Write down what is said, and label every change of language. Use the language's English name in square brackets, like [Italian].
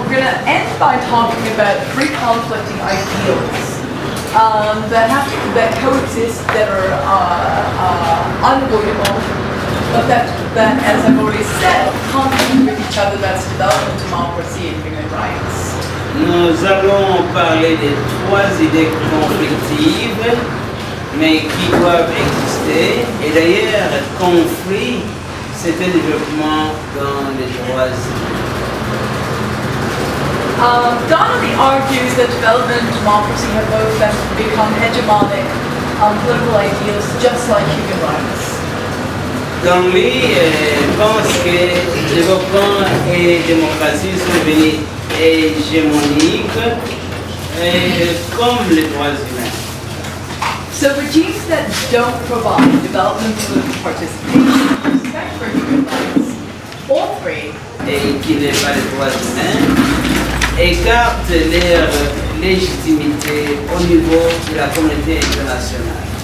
[English] We're going to end by talking about three conflicting ideals that coexist, that are unavoidable, but that, as I've already said, conflict with each other, that's development, democracy, and human rights. [French] Nous allons parler des trois idées conflictives, mais qui doivent exister. Et d'ailleurs, le conflit, c'est un développement dans les droits humains. [English] Donnelly argues that development and democracy have both become hegemonic political ideals, just like human rights. [French] Donnelly pense que développement et démocratie sont devenus hégémonique comme les droits humains. [English] So regimes that don't provide development and participation, respect for human rights, all three, [French] et qui n'est pas les droits humains, écartent leur légitimité au niveau de la communauté internationale.